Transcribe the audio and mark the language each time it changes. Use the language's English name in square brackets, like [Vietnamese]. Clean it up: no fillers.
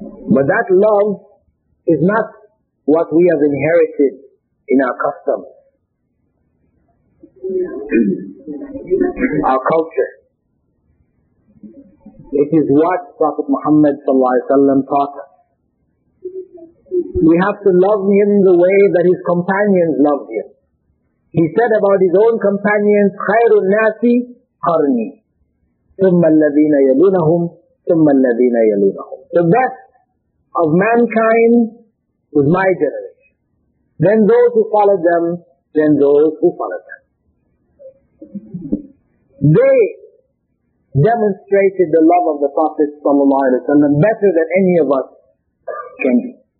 [English] But that love is not what we have inherited in our customs, our culture. It is what Prophet Muhammad sallallahu alaihi wasallam taught us. We have to love him the way that his companions loved him. He said about his own companions, [Arabic] خير الناس قرني ثم الذين يلونهم ثم الذين يلونهم. [English] The best of mankind was my generation. Then those who followed them, then those who followed them. They demonstrated the love of the Prophet sallallahu alaihi wasallam better than any of us can be.